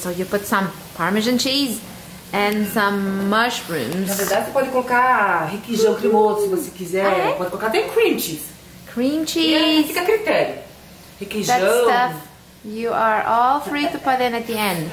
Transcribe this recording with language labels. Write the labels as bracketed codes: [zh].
[en] So you put some parmesan cheese and some mushrooms. [pt] Na verdade, você pode colocar requeijão cremoso se você quiser. Ah, é? Pode colocar até cream cheese. Cream cheese. Fica a critério. Requeijão. [en] That stuff you are all free to put in at the end.